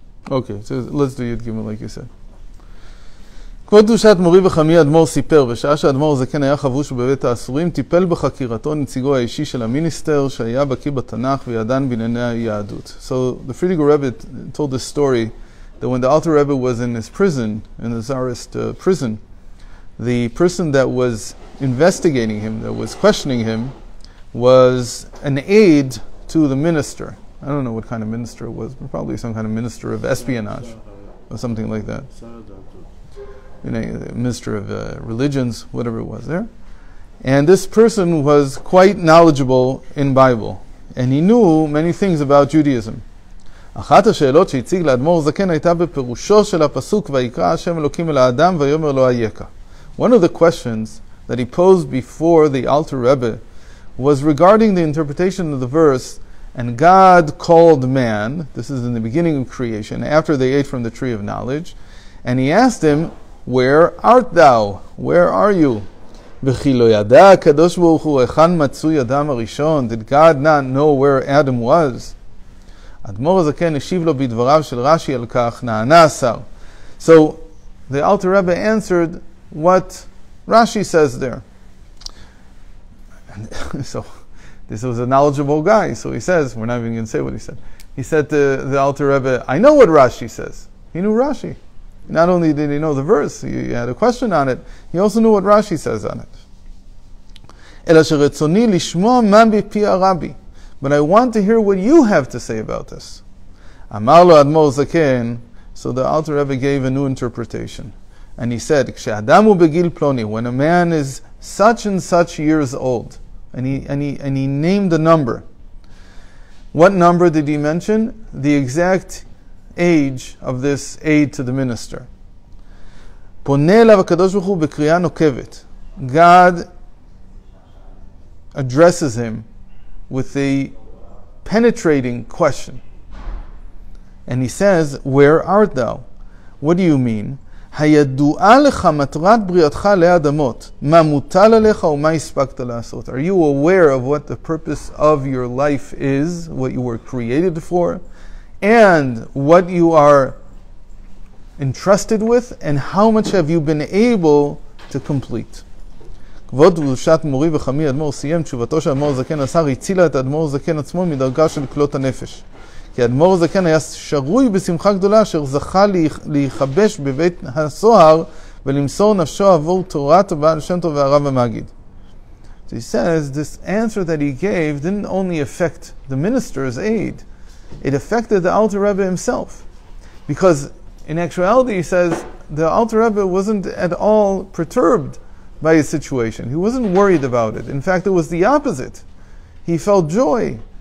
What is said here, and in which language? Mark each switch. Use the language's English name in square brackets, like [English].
[English] Okay, so let's do Yud Gimel like you said. [Hebrew] כבוד דושת מורי וחמי אדמור סיפר, בשעה שאדמור זקן היה חבוש בבית האסורים, טיפל בחקירתו נציגו האישי של המיניסטר, שהיה בקי בתנך וידן בענייני היהדות. [English] So the Friedrich Rebbe told this story, that when the Alter Rebbe was in his prison, in the Tsarist prison, the person that was investigating him, that was questioning him, was an aide to the minister. I don't know what kind of minister it was, but probably some kind of minister of espionage, or something like that. You know, minister of religions, whatever it was there. And this person was quite knowledgeable in Bible. And he knew many things about Judaism. [Hebrew] אחת השאלות שהציג לאדמור זקן הייתה בפירושו של הפסוק ויקרא השם אלוקים אל האדם ויאמר לו אייכה. [English] One of the questions that he posed before the Alter Rebbe was regarding the interpretation of the verse, and God called man, this is in the beginning of creation, after they ate from the tree of knowledge, and he asked him, where art thou? Where are you? [Hebrew] וכי לא ידע הקדוש ברוך הוא היכן מצוי אדם הראשון? [English] Did God not know where Adam was? [Hebrew] אדמור הזקן השיב לו בדבריו של רשי על כך, נענה השר. [English] So the Alter Rebbe answered what Rashi says there. And so this was a knowledgeable guy. So he says, we're not even going to say what he said. He said to the Alter Rebbe, I know what Rashi says. He knew Rashi. Not only did he know the verse, he had a question on it, he also knew what Rashi says on it. [Hebrew] אלא שרצוני לשמוע מה בפי הרבי. [English] But I want to hear what you have to say about this. [Hebrew] אמר לו אדמור זקן, [English] so the Alter Rebbe gave a new interpretation. And he said, [Hebrew] כשאדם הוא בגיל פלוני, [English] when a man is such and such years old, and he named a number. What number did he mention? The exact age of this aide to the minister. [Hebrew] פונה אליו הקדוש ברוך הוא בקריאה נוקבת. [English] God addresses him with a penetrating question. And he says, where art thou? What do you mean? [Hebrew] הידועה לך מטרת בריאתך עלי אדמות. מה מוטל עליך ומה הספקת לעשות? [English] Are you aware of what the purpose of your life is? What you were created for? And what you are entrusted with, and how much have you been able to complete? [Hebrew] כבוד דושת מורי וחמי אדמור סיים, תשובתו של אדמור זקן השר הצילה את אדמור זקן עצמו מדרגה של כלות הנפש. כי אדמור זקן היה שרוי בשמחה גדולה אשר זכה להיחבש בבית הסוהר ולמסור נפשו עבור תורת הבעל שם טוב והרב המגיד. [English] So he says, this answer that he gave didn't only affect the minister's aid. It affected the Alter Rebbe himself. Because in actuality, he says, the Alter Rebbe wasn't at all perturbed by his situation. He wasn't worried about it. In fact, it was the opposite. He felt joy.